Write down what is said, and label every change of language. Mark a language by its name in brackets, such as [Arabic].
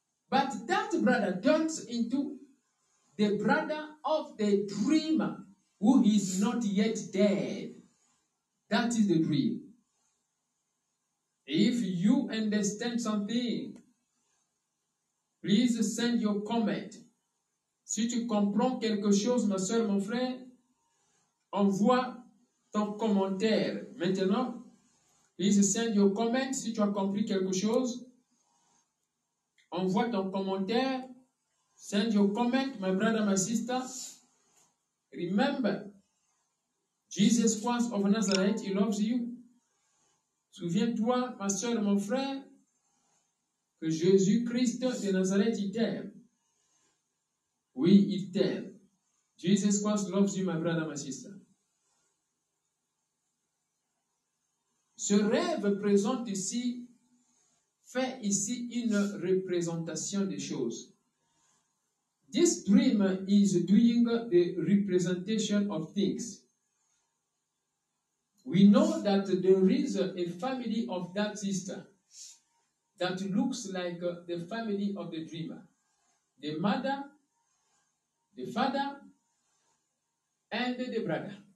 [English] But that brother turns into the brother of the dreamer who is not yet dead. That is the dream. If you understand something, please send your comment. [French] Si tu comprends quelque chose, ma soeur, mon frère, envoie ton commentaire maintenant. [English] Please send your comment [French] si tu as compris quelque chose. Envoie ton commentaire. [English] Send your comment, my brother, my sister. Remember, Jesus Christ of Nazareth, he loves you. [French] Souviens-toi, ma soeur, mon frère, que Jésus-Christ de Nazareth, il t'aime. Oui, il t'aime. [English] Jesus Christ loves you, my brother, my sister. [French] Ce rêve présente ici fait ici une représentation des choses. [English] This dream is doing the representation of things. We know that there is a family of that sister that looks like the family of the dreamer. The mother, the father, and the brother.